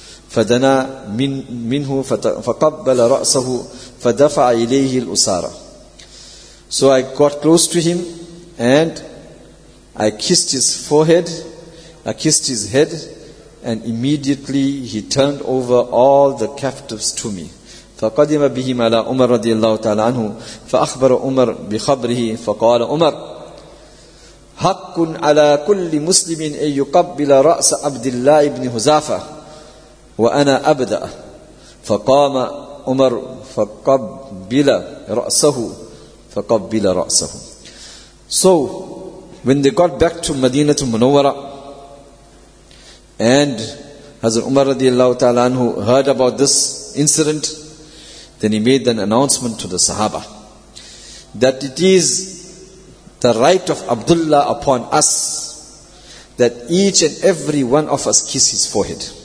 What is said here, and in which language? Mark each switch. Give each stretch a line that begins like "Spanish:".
Arabic: فَدَنَا مِنْهُ فَقَبَّلَ رَأْسَهُ فَدَفَعَ إِلَيْهِ الْأُسَارَ.
English: So I got close to him and I kissed his forehead, I kissed his head, and immediately he turned over all the captives to me.
Arabic: فقدم بهم على عمر رضي الله تعالى عنه فأخبر عمر بخبره فقال عمر حق على كل مسلم أن يقبل رأس عبد الله بن حذافة وأنا أبدأ فقام عمر فقبل رأسه فقبل رأسه.
English: So when they got back to Medina to Munawwara, and Hazrat Umar radiallahu ta'ala anhu heard about this incident, then he made an announcement to the Sahaba that it is the right of Abdullah upon us that each and every one of us kiss his forehead.